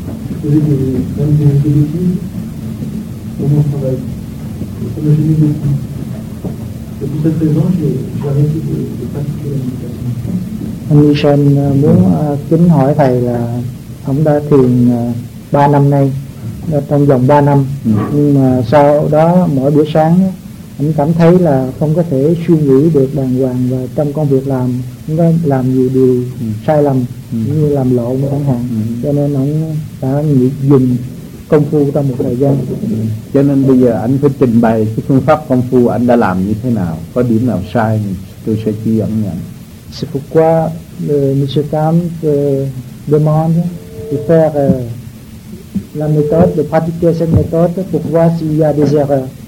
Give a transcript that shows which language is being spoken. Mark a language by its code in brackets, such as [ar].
[fr] Je faisais des même des études pour mon travail. Et ça m'a gêné beaucoup. Et pour cette raison, j'ai arrêté de pratiquer la méditation. [vi] Ông Michel muốn kính hỏi thầy là ông đã thiền 3 năm nay, trong vòng 3 năm. Nhưng mà sau đó mỗi buổi sáng ông cảm thấy là không có thể suy nghĩ được đàng hoàng và trong công việc làm không có làm nhiều điều sai lầm như làm lộn chẳng hạn. Cho nên ông đã dùng công phu trong một thời gian. Cho nên bây giờ anh phải trình bày cái phương pháp công phu anh đã làm như thế nào, có điểm nào sai tôi sẽ chỉ dẫn anh. [fr] C'est pourquoi Monsieur Tam demande de faire la méthode, de pratiquer cette méthode pour voir s'il y a des erreurs.